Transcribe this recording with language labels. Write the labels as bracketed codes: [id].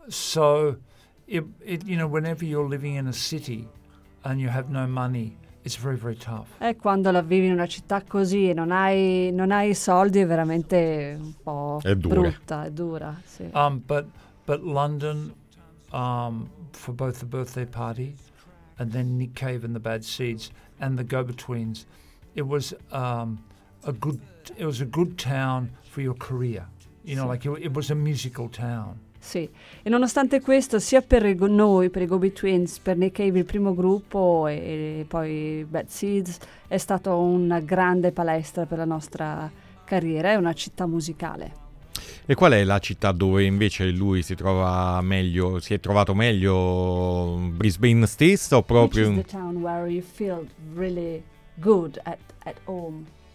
[en] So whenever you're living in a city and you have no money, it's very, very tough. [it] E quando la vivi in una città così e non hai soldi, è veramente un po' brutta, è dura. Sì. [en] But London, for both the Birthday Party and then Nick Cave and the Bad Seeds, and the Go-Betweens, it was a good town for your career, you know, like it was a musical town. [it] Sì, e nonostante questo, sia per noi, per i Go-Betweens, per Nick Cave, il primo gruppo, e poi Bad Seeds, è stato una grande palestra per la nostra carriera, è una città musicale. E qual è la città dove invece lui si trova meglio, si è trovato meglio, Brisbane stessa o proprio? [en] Which is the town where you feel really good at home?